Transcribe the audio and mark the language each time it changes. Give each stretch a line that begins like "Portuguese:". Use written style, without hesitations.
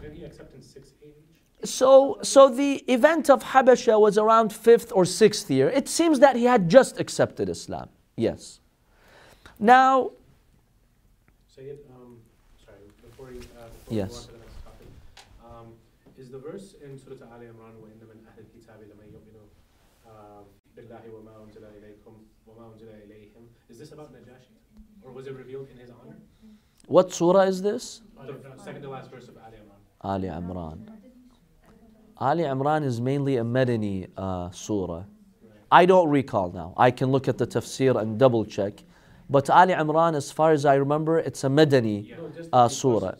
English: Did he accept in 6 AD? So the event of Habasha was around 5th or 6th year. It seems that he had just accepted Islam. Yes. Now... Sayyid, before you go on to the next topic. Is the verse in Surah Ali Imran,
Arabic: وَإِنَّ مِنْ أَهْلِ الْكِتَابِ لَمَا يُؤْمِنُوا بِاللَّهِ وَمَا أُنْزِلَ إِلَيْكُمْ وَمَا أُنْزِلَ إِلَيْهِمْ,
English: is this about Najashi? Or was it revealed in his honor? What surah is this? Second to last verse of Ali Imran. Ali Imran. Ali Imran is mainly a Madani surah. I don't recall now. I can look at the tafsir and double check. But Ali Imran, as far as I remember, it's a Madani surah.